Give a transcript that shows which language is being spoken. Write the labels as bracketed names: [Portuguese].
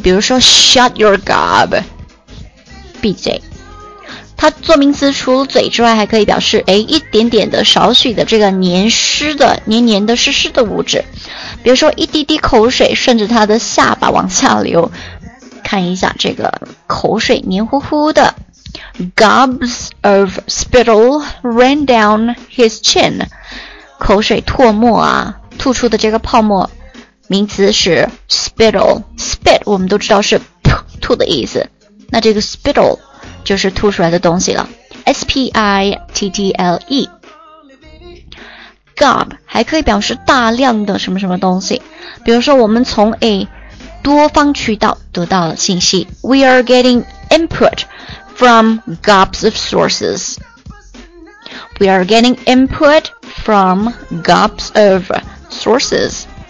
[Chinese] 比如说 [English] shut your gob， [Chinese] 闭嘴。它做名词除了嘴之外，还可以表示一点点的少许的这个黏湿的黏黏的湿湿的物质。比如说一滴滴口水顺着它的下巴往下流，看一下这个口水黏糊糊的。 [English] Gobs of spittle ran down his chin， [Chinese] 口水唾沫啊，吐出的这个泡沫，名词是 spittle。 spit 我们都知道是吐的意思，那这个 spittle就是吐出来的东西了， S-P-I-T-T-L-E。 Gob 还可以表示大量的什么什么东西，比如说我们从 A 多方渠道得到了信息， [English] We are getting input from gobs of sources， We are getting input from gobs of sources。